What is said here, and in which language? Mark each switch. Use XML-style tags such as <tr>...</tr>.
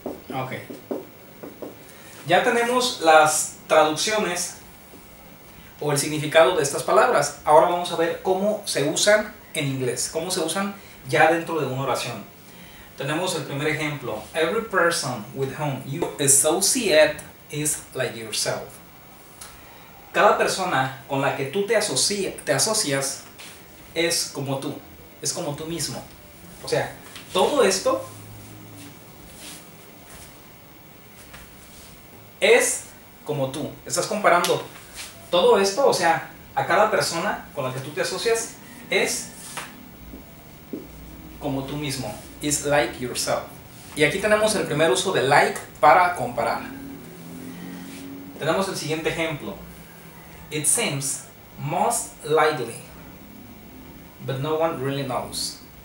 <es>Ok. Ya tenemos las traducciones o el significado de estas palabras. Ahora vamos a ver cómo se usan en inglés, cómo se usan ya dentro de una oración. Tenemos el primer ejemplo.</es> <en>Every person with whom you associate is like yourself.</en> <es>Cada persona con la que tú te asocias es como tú, es como tú mismo. O sea, todo esto es como tú. Estás comparando todo esto, o sea, a cada persona con la que tú te asocias, es como tú mismo.</es> <en>Is like yourself.</en> <es>Y aquí tenemos el primer uso de like para comparar. Tenemos el siguiente ejemplo.</es> <en>It seems most likely, but no one really knows.</en>